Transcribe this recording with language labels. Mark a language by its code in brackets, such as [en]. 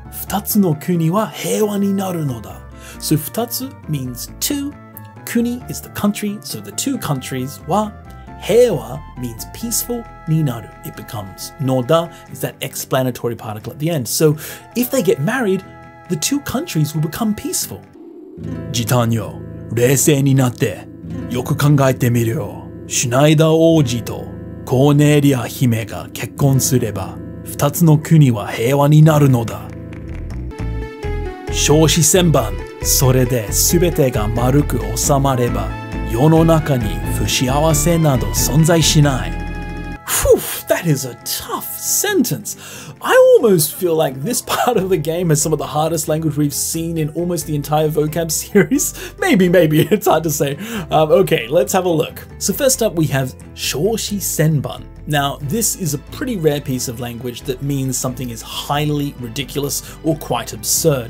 [ja] 二つの国は平和になるのだ。 [en] So 二つ means two, kuni is the country, so the two countries, wa, 平和 means peaceful, ninaru, it becomes, [ja] no da [en] is that explanatory particle at the end. So if they get married, the two countries will become peaceful. [ja] ジタニョ、冷静になって。よく考えてみるよ。シュナイダー王子とコーネリア姫が結婚すれば、二つの国は平和になるのだ。少子千番、それで全てが丸く収まれば、世の中に不幸せなど存在しない。 [en] Whew, that is a tough sentence. I almost feel like this part of the game is some of the hardest language we've seen in almost the entire vocab series. Maybe, it's hard to say. Okay, let's have a look. So first up we have 少子千番. Now, this is a pretty rare piece of language that means something is highly ridiculous or quite absurd.